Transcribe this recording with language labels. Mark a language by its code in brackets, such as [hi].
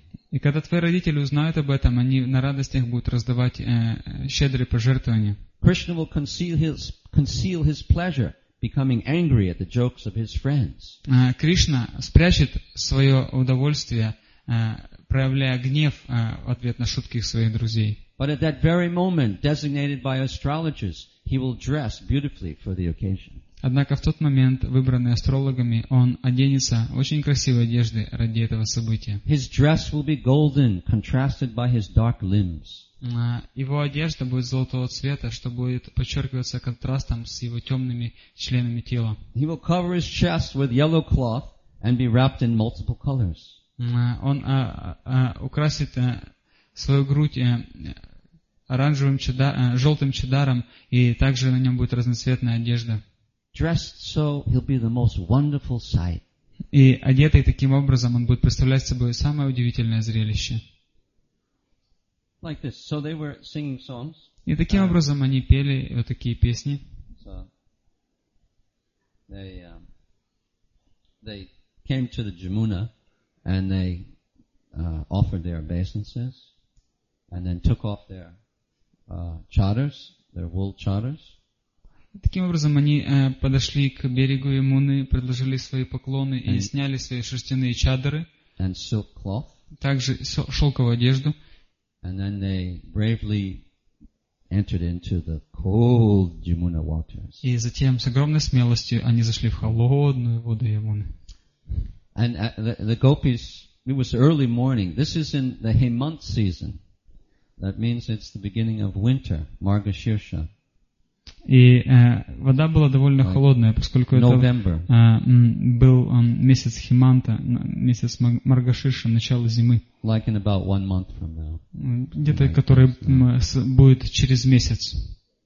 [ru] И когда твои родители узнают об этом, они на радостях будут раздавать щедрые пожертвования. [en] Кришна will conceal his pleasure, becoming angry at the jokes of his friends. [ru] Кришна спрячет свое удовольствие, проявляя гнев в ответ на шутки своих друзей. [en] But at that very moment, designated by astrologers, he will dress beautifully for the occasion. [ru] Однако в тот момент, выбранный астрологами, он оденется в очень красивой одежде ради этого события. [en] His dress will be golden, contrasted by his dark limbs. [ru] Его одежда будет золотого цвета, что будет подчеркиваться контрастом с его темными членами тела. [en] He will cover his chest with yellow cloth and be wrapped in multiple colors. [ru] Он украсит свою грудь оранжевым желтым чадаром, и также на нем будет разноцветная одежда. [en] Dressed so, he'll be the most wonderful sight. [ru] И одетый таким образом, он будет представлять собой самое удивительное зрелище. [en] Like this. So they were singing songs. [ru] И таким образом они пели вот такие песни. [en] So they came to the Jamuna and they offered their obeisances. And then took off their charters, their wool charters. [ru] Таким образом, они подошли к берегу Ямуны, предложили свои поклоны и сняли свои шерстяные чадры. [en] And silk cloth. [ru] Также шелковую одежду. [en] And then they bravely entered into the cold Jamuna waters. [ru] И затем с огромной смелостью они зашли в холодную воду Ямуны. [en] And the gopis, it was early morning. This is in the Hemant season. That means it's the beginning of winter, Marga-Shirsha. [ru] И вода была довольно холодная, поскольку [en] November. [ru] Это был месяц Химанта, месяц Марга-Ширша, начало зимы. [en] Like in about 1 month from now. [ru] Где-то, [en] like [ru] который будет через месяц.